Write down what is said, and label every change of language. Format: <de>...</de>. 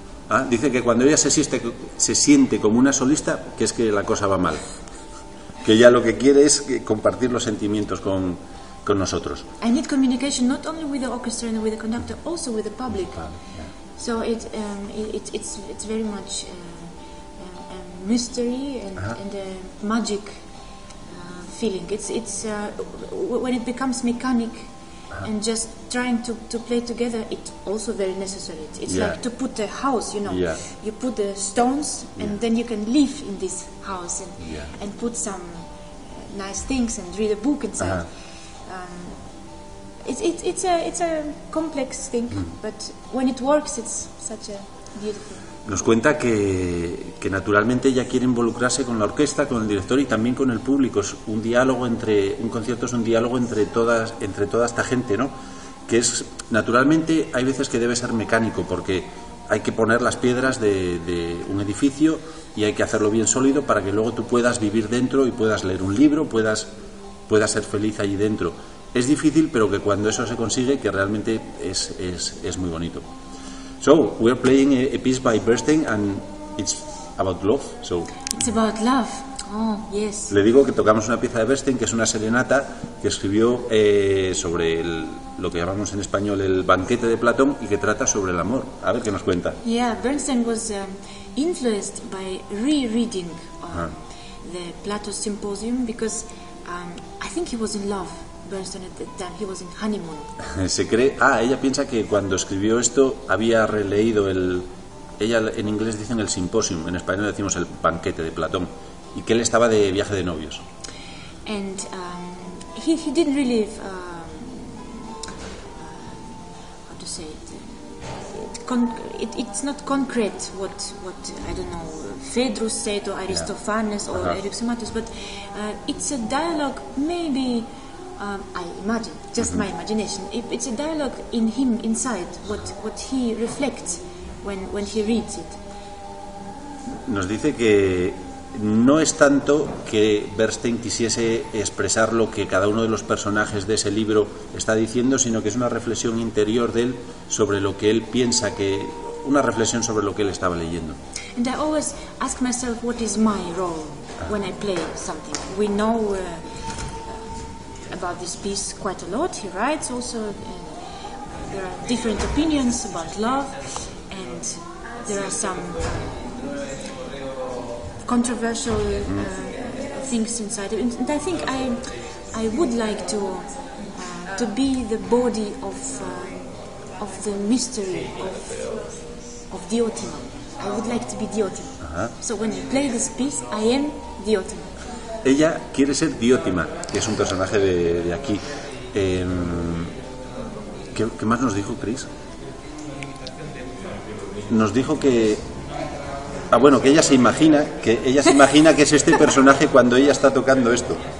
<es>Ah, dice que cuando ella se siente como una solista, que es que la cosa va mal. Que ella lo que quiere es compartir los sentimientos con nosotros.</es> <en>I need communication not only with the orchestra and with the conductor, also with the public. So it's very much a mystery and a magic feeling. It's when it becomes mechanic and just trying to play together, it's also very necessary. It's like to put a house, you know. Yeah. You put the stones and then you can live in this house and put some nice things and read a book inside. Uh-huh. It's a complex thing, but when it works, it's such a beautiful.</en> <es>Nos cuenta que naturalmente ella quiere involucrarse con la orquesta, con el director y también con el público. Es un diálogo entre un concierto, es un diálogo entre toda esta gente, ¿no? Que es naturalmente hay veces que debe ser mecánico porque hay que poner las piedras de un edificio y hay que hacerlo bien sólido para que luego tú puedas vivir dentro y puedas leer un libro, puedas ser feliz allí dentro. Es difícil, pero que cuando eso se consigue, que realmente es muy bonito.</es> <en>So we're playing a piece by Bernstein, and it's about love. So it's about love. Oh, yes.</en> <es>Le digo que tocamos una pieza de Bernstein, que es una serenata que escribió sobre lo que llamamos en español el banquete de Platón y que trata sobre el amor. A ver qué nos cuenta.</es> <en>Yeah, Bernstein was influenced by rereading the Plato Symposium because I think he was in love. Bernstein at that time, he was in honeymoon.</en> <es>Se cree, ella piensa que cuando escribió esto había releído el, ella en inglés dicen el symposium, en español decimos el banquete de Platón, y que él estaba de viaje de novios.</es> <en>And he didn't really how to say it? It's not concrete what I don't know Phaedrus said or Aristophanes or Eryximachus, but it's a dialogue maybe. I imagine, just my imagination. It's a dialogue in him inside. What he reflects when he reads it. Nos dice que no es tanto que Bernstein quisiese expresar lo que cada uno de los personajes de ese libro está diciendo, sino que es una reflexión interior de él sobre lo que él piensa que una reflexión sobre lo que él estaba leyendo. And I always ask myself what is my role when I play something. We know. About this piece quite a lot. He writes also there are different opinions about love and there are some controversial things inside it. And I think I would like to be the body of the mystery of the Diotima. I would like to be the Diotima. Uh-huh. So when I play this piece, I am the Diotima.</en> <es>Ella quiere ser Diótima, que es un personaje de aquí. ¿Qué más nos dijo Chris? Nos dijo que... Ah, bueno, que ella se imagina que es este personaje cuando ella está tocando esto.</es>